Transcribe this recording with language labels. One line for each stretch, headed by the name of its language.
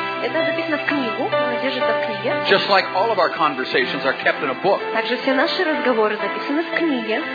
Russian: Это записано в книгу, она держится в книге.
English: Just like all of our conversations are kept in a book.
Russian: Также все наши разговоры записаны в книге.